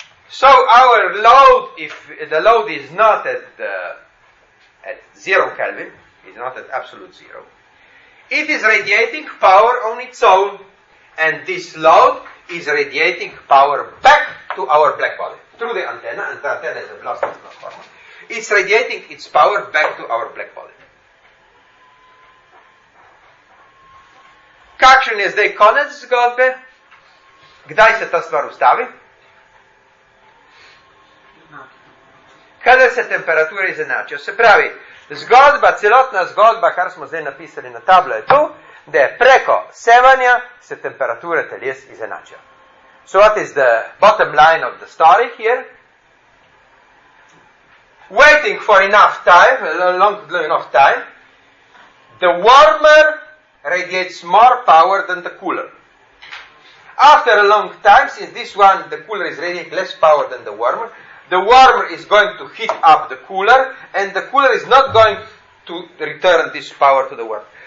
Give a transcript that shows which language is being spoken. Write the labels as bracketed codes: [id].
[en] So, our load, if the load is not at zero Kelvin, is not at absolute zero, it is radiating power on its own, and this load is radiating power back to our black body, through the antenna, and the antenna is a lossless transformer. It's radiating its power back to our black body. [sl] Kakšen je zdaj konec zgodbe? Kdaj se ta stvar ustavi? Kadar se temperature izenačijo? Se pravi, zgodba, celotna zgodba, kar smo zdaj napisali na tablo, je to, da preko sevanja se temperature teles izenačijo. [en] So what is the bottom line of the story here? Waiting for enough time, long enough time, the warmer radiates more power than the cooler. After a long time, since this one, the cooler is radiating less power than the warmer is going to heat up the cooler, and the cooler is not going to return this power to the warmer.